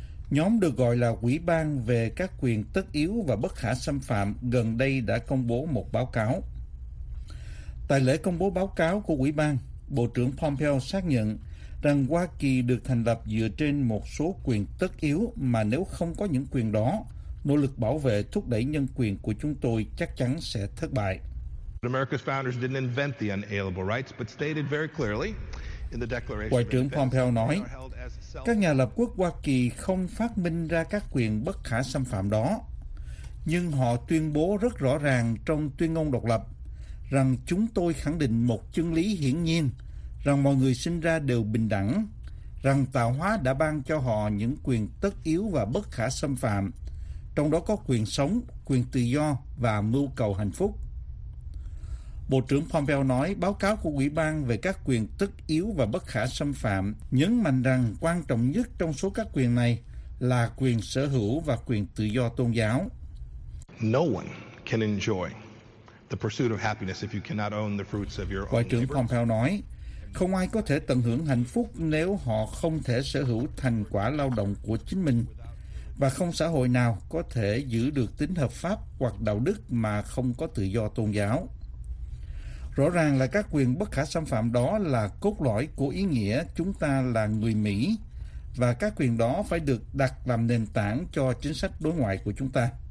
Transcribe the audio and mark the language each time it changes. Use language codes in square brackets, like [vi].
[vi] Nhóm được gọi là Ủy ban về các quyền tất yếu và bất khả xâm phạm gần đây đã công bố một báo cáo. Tại lễ công bố báo cáo của Ủy ban, Bộ trưởng Pompeo xác nhận rằng Hoa Kỳ được thành lập dựa trên một số quyền tất yếu mà nếu không có những quyền đó, nỗ lực bảo vệ thúc đẩy nhân quyền của chúng tôi chắc chắn sẽ thất bại. [en] America's founders didn't invent the inalienable rights, but stated very clearly in the Declaration. [vi] Ngoại trưởng Pompeo nói, các nhà lập quốc Hoa Kỳ không phát minh ra các quyền bất khả xâm phạm đó, nhưng họ tuyên bố rất rõ ràng trong Tuyên ngôn Độc lập rằng chúng tôi khẳng định một chân lý hiển nhiên, rằng mọi người sinh ra đều bình đẳng, rằng tạo hóa đã ban cho họ những quyền tất yếu và bất khả xâm phạm, trong đó có quyền sống, quyền tự do và mưu cầu hạnh phúc. Bộ trưởng Pompeo nói, báo cáo của Ủy ban về các quyền tất yếu và bất khả xâm phạm nhấn mạnh rằng quan trọng nhất trong số các quyền này là quyền sở hữu và quyền tự do tôn giáo. [en] No one can enjoy the pursuit of happiness if you cannot own the fruits of your own. [vi] Ngoại trưởng Pompeo nói, không ai có thể tận hưởng hạnh phúc nếu họ không thể sở hữu thành quả lao động của chính mình, và không xã hội nào có thể giữ được tính hợp pháp hoặc đạo đức mà không có tự do tôn giáo. Rõ ràng là các quyền bất khả xâm phạm đó là cốt lõi của ý nghĩa chúng ta là người Mỹ, và các quyền đó phải được đặt làm nền tảng cho chính sách đối ngoại của chúng ta.